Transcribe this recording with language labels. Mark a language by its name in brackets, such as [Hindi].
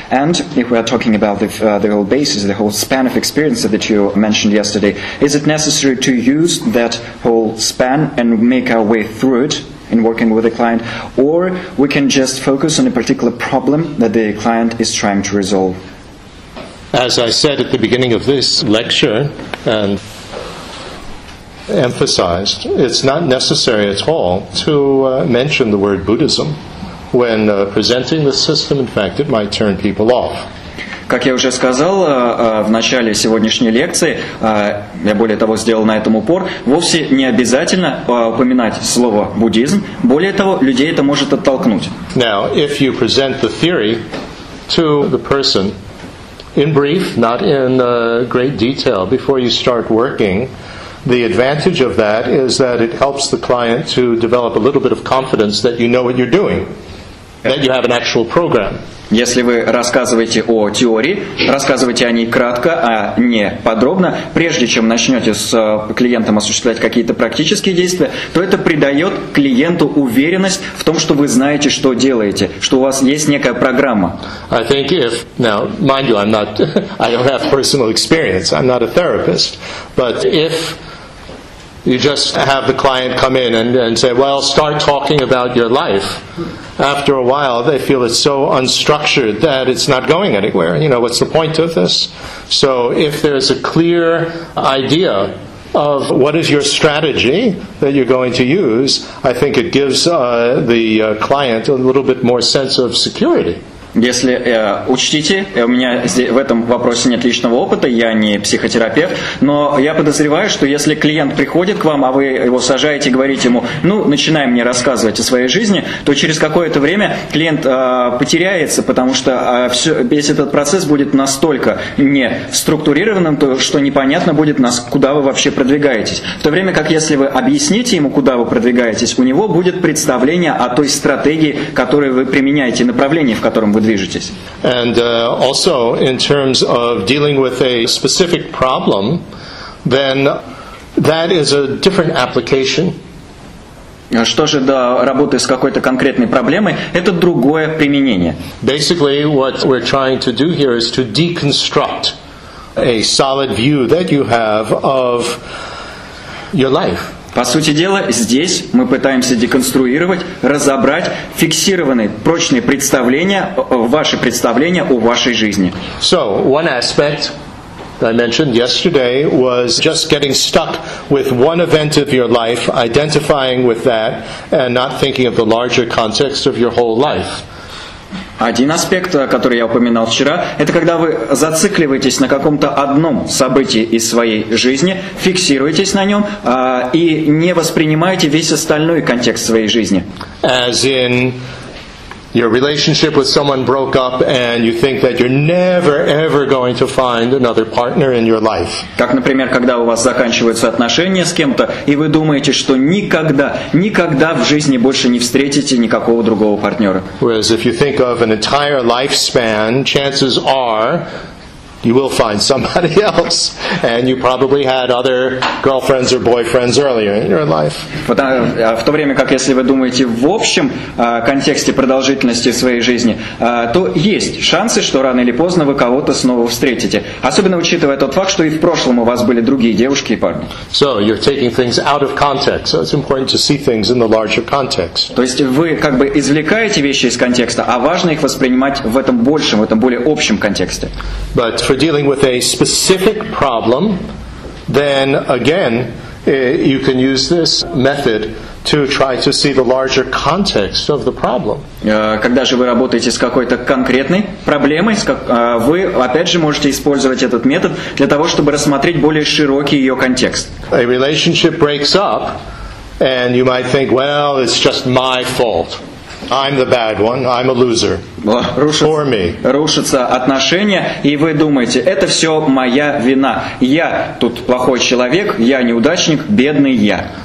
[English] And if we are talking about the whole basis, the whole span of experience that you mentioned yesterday, is it necessary to use that whole span and make our way through it in working with a client, or we can just focus on a particular problem that the client is trying to resolve? As I said at the beginning of this lecture and emphasized, it's not necessary at all to mention the word Buddhism when presenting the system. In fact, it might turn people off. [Russian] Как я уже сказал в начале сегодняшней лекции, я более того сделал на этом упор, вовсе не обязательно упоминать слово буддизм. Более того, людей это может оттолкнуть. [English] Now, if you present the theory to the person in brief, not in great detail, before you start working, the advantage of that is that it helps the client to develop a little bit of confidence that you know what you're doing, that you have an actual program. [Russian] Если вы рассказываете о теории, рассказывайте о ней кратко, а не подробно, прежде чем начнете с клиентом осуществлять какие-то практические действия, то это придает клиенту уверенность в том, что вы знаете, что делаете, что у вас есть некая программа. [English] I think if, now, mind you, I don't have personal experience, I'm not a therapist, but if you just have the client come in and say, well, start talking about your life, after a while, they feel it's so unstructured that it's not going anywhere. You know, what's the point of this? So if there's a clear idea of what is your strategy that you're going to use, I think it gives the client a little bit more sense of security. [Russian] Если учтите, у меня здесь, в этом вопросе нет личного опыта, я не психотерапевт, но я подозреваю, что если клиент приходит к вам, а вы его сажаете и говорите ему, ну, начинай мне рассказывать о своей жизни, то через какое-то время клиент потеряется, потому что весь этот процесс будет настолько не структурированным, то, что непонятно будет, куда вы вообще продвигаетесь. В то время как если вы объясните ему, куда вы продвигаетесь, у него будет представление о той стратегии, которую вы применяете, направлении, в котором вы движетесь. [English] And also in terms of dealing with a specific problem, then that is a different application. [Russian] Что же до работы с какой-то конкретной проблемой, это другое применение. [English] Basically, what we're trying to do here is to deconstruct a solid view that you have of your life. [Russian] По сути дела, здесь мы пытаемся деконструировать, разобрать фиксированные, прочные представления, ваши представления о вашей жизни. [English] So, one aspect that I mentioned yesterday was just getting stuck with one event of your life, identifying with that and not thinking of the larger context of your whole life. [Russian] Один аспект, который я упоминал вчера, это когда вы зацикливаетесь на каком-то одном событии из своей жизни, фиксируетесь на нем и не воспринимаете весь остальной контекст своей жизни. [English] As in, your relationship with someone broke up and you think that you're never ever going to find another partner in your life. [Russian] Как, например, когда у вас заканчиваются отношения с кем-то, и вы думаете, что никогда, никогда в жизни больше не встретите никакого другого партнера. [English] Whereas if you think of an entire lifespan, chances are you will find somebody else, and you probably had other girlfriends or boyfriends earlier in your life. [Russian] В то время как если вы думаете в общем контексте продолжительности своей жизни, то есть шансы, что рано или поздно вы кого-то снова встретите, особенно учитывая тот факт, что и в прошлом у вас были другие девушки и парни. [English] So you're taking things out of context. So it's important to see things in the larger context. [Russian] То есть вы как бы извлекаете вещи из контекста, а важно их воспринимать в этом большем, в этом более общем контексте. [English] But for dealing with a specific problem, then again, you can use this method to try to see the larger context of the problem. [Russian] Когда же вы работаете с какой-то конкретной проблемой, вы опять же можете использовать этот метод для того, чтобы рассмотреть более широкий ее контекст. [English] A relationship breaks up, and you might think, well, it's just my fault. I'm the bad one. I'm a loser. Poor me. [Russian] Рушатся отношения, и вы думаете, это все моя вина. Я тут плохой человек, я неудачник, бедный я.